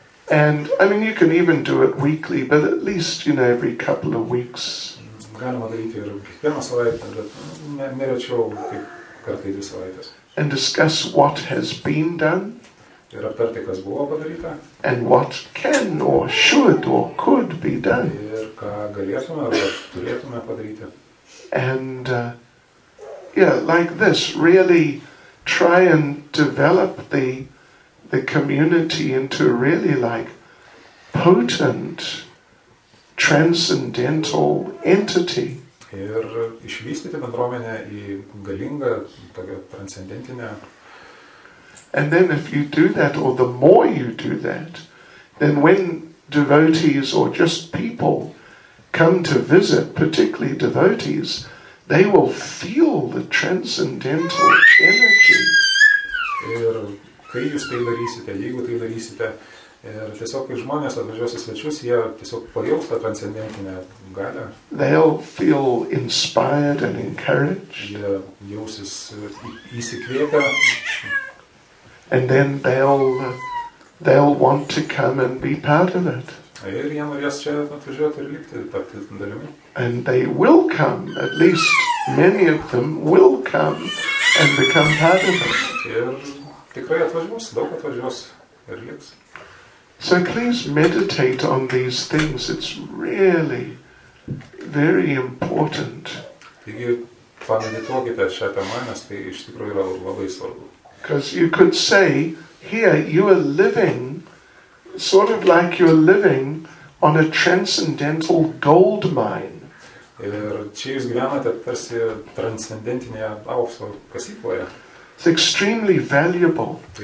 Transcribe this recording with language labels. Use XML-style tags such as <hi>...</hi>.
<en>And, I mean, you can even do it weekly, but at least, you know, every couple of weeks.</en> <lt>Galima daryti ir kiekvieną savaitę, bet nerečiau kaip kartai dvi savaitės.</lt> <en>And discuss what has been done.</en> <lt>Ir aptarti, kas buvo padaryta.</lt> <en>And what can or should or could be done.</en> <lt>Ir ką galėtume arba turėtume padaryti.</lt> <en>And, yeah, like this, really try and develop the community into really like potent transcendental entity.</en> <lt>Ir išvystyti bendruomenę į galingą tokią transcendentinę.</lt> <en>And then if you do that, or the more you do that, then when devotees or just people come to visit, particularly devotees, they will feel the transcendental energy.</en> <lt>Ir kai jūs tai darysite, jeigu tai darysite, ir tiesiog kai žmonės atvažiuos į svečius, jie tiesiog pajaus tą transcendentinę galią.</lt> <en>They'll feel inspired and encouraged.</en> <lt>Jie jausis įsikvėpę.</lt> <en>And then they'll want to come and be part of it.</en> <lt>Ir jie norės čia atvažiuoti ir likti tapti dalimi.</lt> <en>And they will come, at least many of them will come and become part of it.</en> <lt>Ir tikrai atvažiuos, daug atvažiuos ir liks.</lt> <en>So please meditate on these things. It's really very important.</en> <lt>Taigi, pameditokite šią temą, nes tai iš tikrųjų yra labai svarbu.</lt> <en>Because you could say, here, you are living, sort of like you're living on a transcendental gold mine.</en> <lt>Ir čia jūs gyvenate tarsi transcendentinėje aukso kasykloje.</lt> <en>It's extremely valuable.</en>